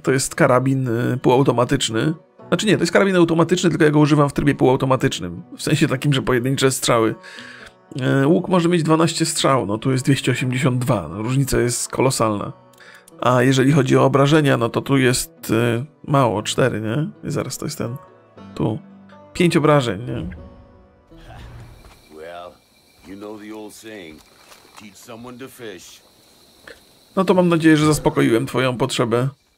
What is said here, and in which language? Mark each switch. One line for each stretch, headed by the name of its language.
Polish: To jest karabin półautomatyczny. Znaczy nie, to jest karabin automatyczny, tylko ja go używam w trybie półautomatycznym. W sensie takim, że pojedyncze strzały. Łuk może mieć 12 strzał, no tu jest 282. No, różnica jest kolosalna. A jeżeli chodzi o obrażenia, no to tu jest mało, 4, nie? I zaraz to jest ten. Tu. 5 obrażeń, nie?
English: Well, you know the old saying. Teach someone to fish.
Polish: No to mam nadzieję, że zaspokoiłem twoją potrzebę.